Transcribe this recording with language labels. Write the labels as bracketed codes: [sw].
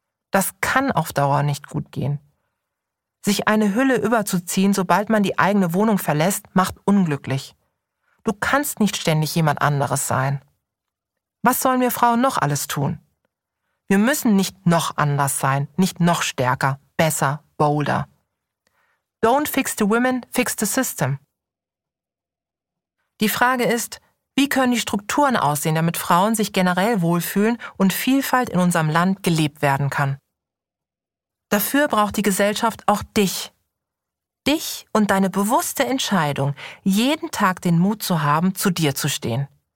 [de] Das kann auf Dauer nicht gut gehen. Sich eine Hülle überzuziehen, sobald man die eigene Wohnung verlässt, macht unglücklich. Du kannst nicht ständig jemand anderes sein. Was sollen wir Frauen noch alles tun? Wir müssen nicht noch anders sein, nicht noch stärker, besser, bolder. [en] Don't fix the women, fix the system. [de] Die Frage ist, wie können die Strukturen aussehen, damit Frauen sich generell wohlfühlen und Vielfalt in unserem Land gelebt werden kann? Dafür braucht die Gesellschaft auch dich. Dich und deine bewusste Entscheidung, jeden Tag den Mut zu haben, zu dir zu stehen.